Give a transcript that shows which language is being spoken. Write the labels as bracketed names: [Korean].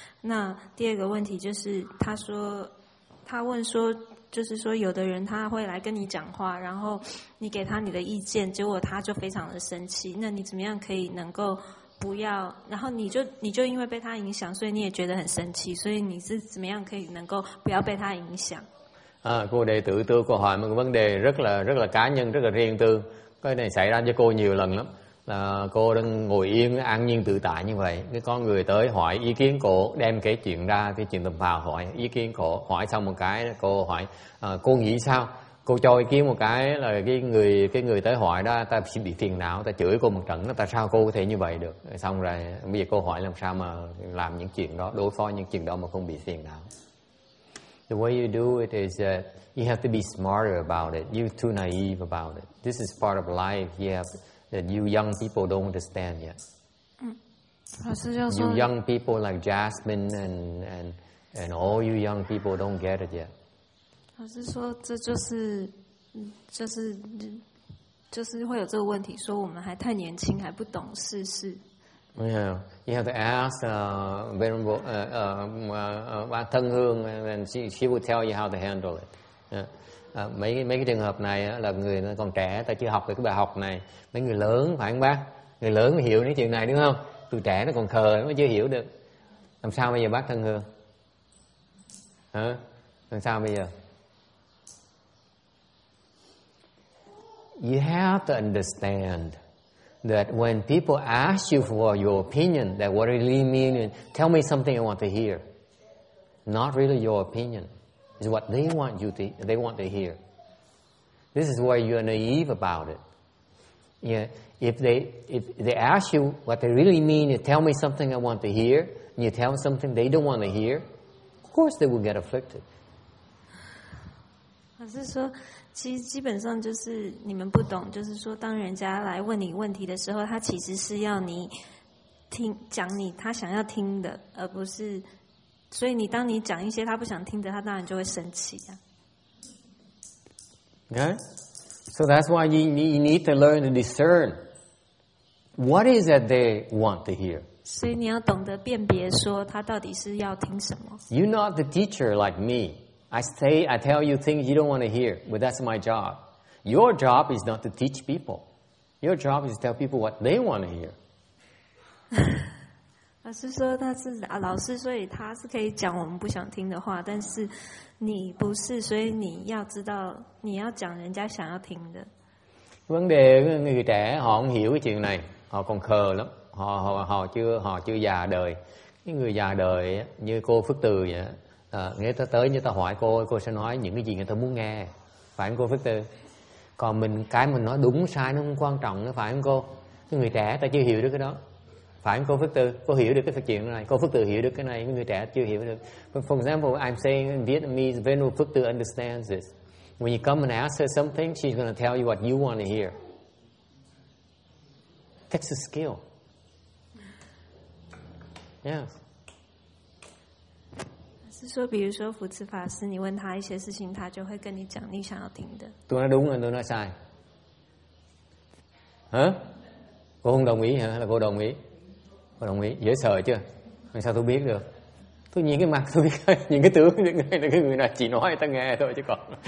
[Chinese] 那第二个问题就是他说他问说。就是说有的人他会来跟你讲话然后你给他你的意见结果他就非常的生气那你怎么样可以能够不要然后你就因为被他影响所以你也觉得很生气所以你是怎么样可以能够不要被他影响 [Vietnamese] 啊cô đệ tử tôi có hỏi một vấn đề rất là cá nhân rất là riêng tư cái này xảy ra cho cô nhiều lần lắm là cô đang ngồi yên an nhiên tự tại như vậy cái con người tới hỏi ý kiến cô đem cái chuyện ra cái chuyện tầm phào hỏi ý kiến cô hỏi xong một cái cô hỏi cô nghĩ sao cô cho ý kiến một cái là cái người tới hỏi đó ta sẽ bị phiền não ta chửi cô một trận là tại sao cô có thể như vậy được xong rồi bây giờ cô hỏi làm sao mà làm những chuyện đó đối phó những chuyện đó mà không bị phiền não [English] the way you do it is that you have to be smarter about it you're too naive about it this is part of life you haveThat you young people don't understand yet. You young people like Jasmine and all you young people don't get it yet. [Chinese] 老师说这就是会有这个问题，说我们还太年轻，还不懂世事。 [English] Yeah, you have to ask Venerable Thân Hương, and she will tell you how to handle it. Yeah. [Vietnamese] Mấy cái trường hợp này là người còn trẻ ta chưa học được cái bài học này mấy người lớn phải không bác người lớn mới hiểu những chuyện này đúng không tụi trẻ nó còn khờ nó chưa hiểu được làm sao bây giờ bác Thân Hương hả làm sao bây giờ [English] you have to understand that when people ask you for your opinion that what do you really mean and tell me something I want to hear not really your opinionIs what they want you to, they want to hear. This is why you are naive about it. Yeah, if they ask you what they really mean, you tell me something I want to hear, and you tell something they don't want to hear, of course they will get afflicted. [Chinese] 老师说，其实基本上就是你们不懂，就是说当人家来问你问题的时候，他其实是要你听讲你他想要听的，而不是。所以你当你讲一些他不想听的，他当然就会生气呀。 [English] Okay, so that's why you need to learn to discern what is that they want to hear. [Chinese] 所以你要懂得辨别，说他到底是要听什么。 [English] You're not the teacher like me. I tell you things you don't want to hear, but that's my job. Your job is not to teach people. Your job is to tell people what they want to hear. [Chinese] 老师说他是啊，老师，所以他是可以讲我们不想听的话，但是你不是，所以你要知道你要讲人家想要听的。 [Vietnamese] vấn đề người trẻ họ không hiểu cái chuyện này, họ còn khờ lắm, họ chưa già đời. cái người già đời như cô Phước Từ vậy, người ta tới như ta hỏi cô sẽ nói những cái gì người ta muốn nghe, phải không cô Phước Từ? còn mình cái mình nói đúng sai nó không quan trọng nữa phải không cô? cái người trẻ ta chưa hiểu được cái đó. Phải không cô Phước Từ? Cô hiểu được cái chuyện này. Cô Phước Từ hiểu được cái này, người trẻ chưa hiểu được. [English] But for example, I'm saying in Vietnamese, Venerable Phước Từ understands this. When you come and ask her something, she's going to tell you what you want to hear. That's a skill. Yes. [Chinese] 是说，比如说福慈法师，你问他一些事情，他就会跟你讲你想要听的。 [Vietnamese] Tôi nói đúng hay tôi nói sai? Hả? Cô không đồng ý hả? Là cô đồng ý? Cô đồng ý, dễ sợ chưa? Làm sao tôi biết được? Tôi nhìn cái mặt, tôi biết những cái tướng, những cái người nào chỉ nói, ta nghe thôi chứ còn.